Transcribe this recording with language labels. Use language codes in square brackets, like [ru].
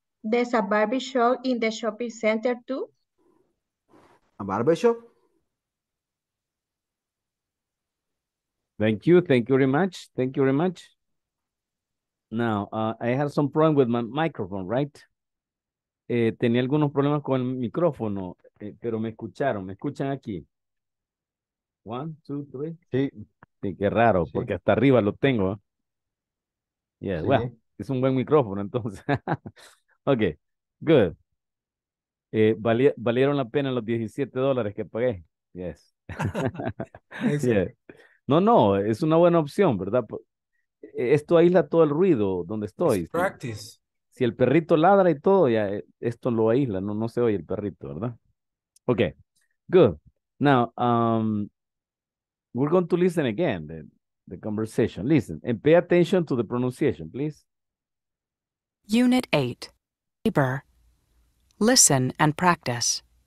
[en] There's a barber shop in the shopping center too. A barber shop? Thank you. Thank you very much. Thank you very much. Now, I had some problem with my microphone, right? [es] Tenía algunos problemas con el micrófono, pero me escucharon. ¿Me escuchan aquí? [en] One, two, three. [es] Sí. Sí, qué raro, sí. Porque hasta arriba lo tengo. Yeah, sí. Well, es un buen micrófono, entonces. [en] Okay, good. [es] Valieron la pena los $17 que pagué. Yes. [en] Yeah. [es] No, es una buena opción, ¿verdad? Esto aísla todo el ruido donde estoy. [en] It's practice. [es] Si el perrito ladra y todo, ya esto lo aísla, no se oye el perrito, ¿verdad? [en] Okay, good. Now, we're going to listen again, the conversation. Listen, and pay attention to the pronunciation, please. Unit 8. Neighbor, listen and practice.